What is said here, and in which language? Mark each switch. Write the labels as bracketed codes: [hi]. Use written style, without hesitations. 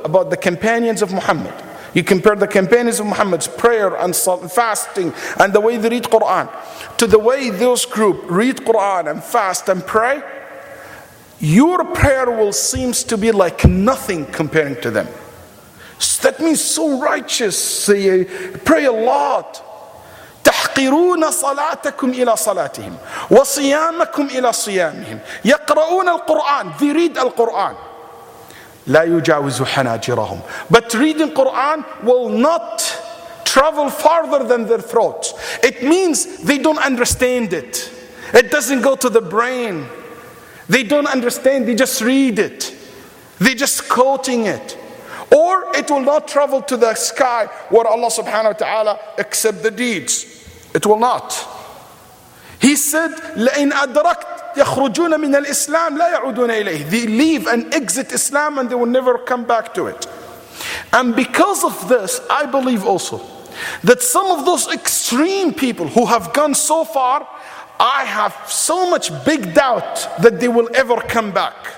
[en] About the companions of Muhammad. You compare the companions of Muhammad's prayer and fasting and the way they read Quran to the way those group read Quran and fast and pray, your prayer will seem to be like nothing comparing to them. So that means so righteous. Say, pray a lot. [ar] تحقرون صلاتكم إلى صلاتهم وصيامكم إلى صيامهم يقرؤون القرآن. [en] They read the Quran. [ar] لا يجاوز حناجرهم. [en] But reading Quran will not travel farther than their throat. It means they don't understand it. It doesn't go to the brain. They don't understand, they just read it. They just quoting it. Or it will not travel to the sky where Allah subhanahu wa ta'ala accept the deeds. It will not. He said, [ar] لَإِنْ أَدْرَكْتْ يَخْرُجُونَ مِنَ الْإِسْلَامِ لَا يَعُدُونَ إِلَيْهِ. [en] They leave and exit Islam and they will never come back to it. And because of this, I believe also that some of those extreme people who have gone so far, I have so much big doubt that they will ever come back.